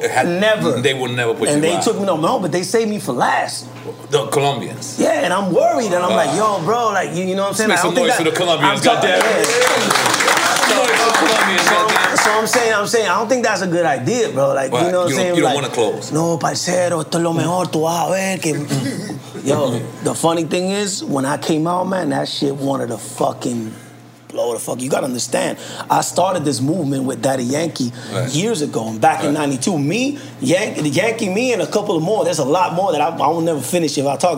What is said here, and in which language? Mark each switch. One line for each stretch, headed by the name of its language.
English: They would never put and you and they took me, no, but they saved me for last. The Colombians. Yeah, and I'm worried, and I'm like, yo, bro, like, you know what I'm saying? Make some noise for the Colombians, goddamn. So I'm saying, I don't think that's a good idea, bro. Like, right. you know what I'm saying? You don't want to close.
Spanish: No, parcero, esto es lo mejor, tú vas a ver que...
English: Yo, the funny thing is, when I came out, man, that shit wanted to fucking... Blow the fuck. You gotta understand, I started this movement with Daddy Yankee years ago, and back in 92, me and a couple of more, there's a lot more that I will never finish if I talk.